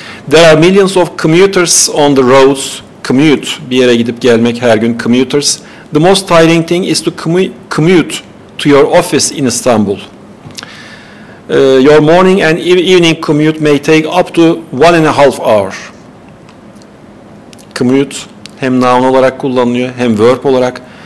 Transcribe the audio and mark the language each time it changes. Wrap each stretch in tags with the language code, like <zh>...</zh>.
<en>There are millions of commuters on the roads.</en> <tr>Commute, bir yere gidip gelmek her gün, commuters.</tr> <en>The most tiring thing is to commute to your office in Istanbul. Your morning and evening commute may take up to 1.5 hours.</en> <tr>Commute hem noun olarak kullanılıyor hem verb olarak.</tr>